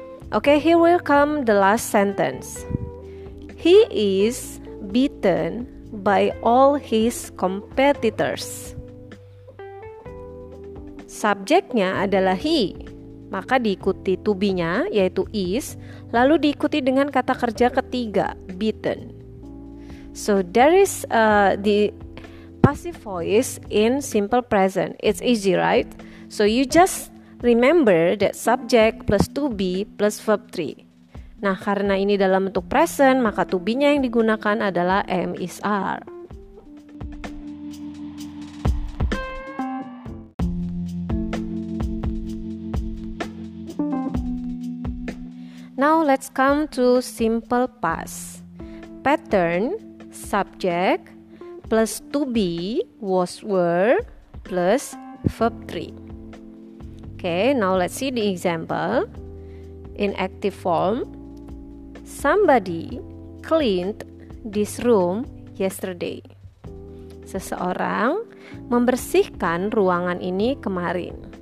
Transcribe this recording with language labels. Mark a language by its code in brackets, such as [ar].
[en] Okay, here will come the last sentence. He is beaten by all his competitors. [id] Subjeknya adalah he, maka diikuti to be-nya yaitu is, lalu diikuti dengan kata kerja ketiga, beaten. [en] So there is the passive voice in simple present. It's easy, right? So you just remember that subject plus to be plus verb 3. [id] Nah, karena ini dalam bentuk present, maka to be-nya yang digunakan adalah am is are. [en] Now let's come to simple past. Pattern, subject, plus to be, was, were, plus verb 3. Okay, now let's see the example. In active form, somebody cleaned this room yesterday. [id] Seseorang membersihkan ruangan ini kemarin.